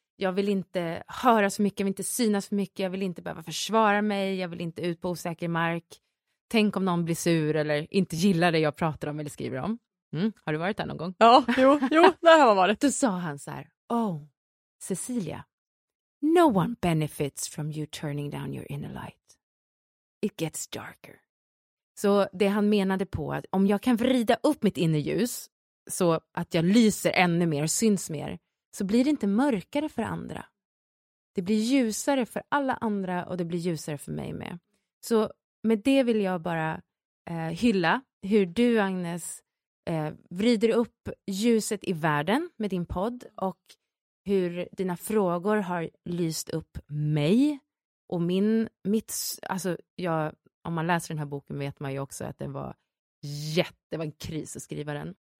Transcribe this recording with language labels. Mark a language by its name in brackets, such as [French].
[Swedish] Jag vill inte höra så mycket, jag vill inte synas för mycket, jag vill inte behöva försvara mig, jag vill inte ut på osäker mark. Tänk om någon blir sur eller inte gillar det jag pratar om eller skriver om. Mm. Har du varit där någon gång? Ja, jo, det här har varit. Då sa han så här, oh, Cecilia. [English] No one benefits from you turning down your inner light. It gets darker. [Swedish] Så det han menade på att om jag kan vrida upp mitt inre ljus så att jag lyser ännu mer, syns mer, så blir det inte mörkare för andra. Det blir ljusare för alla andra och det blir ljusare för mig med. Så med det vill jag bara hylla hur du, Agnes, vrider upp ljuset i världen med din podd och hur dina frågor har lyst upp mig och mitt, alltså jag, om man läser den här boken vet man ju också att det var en kris att skriva den.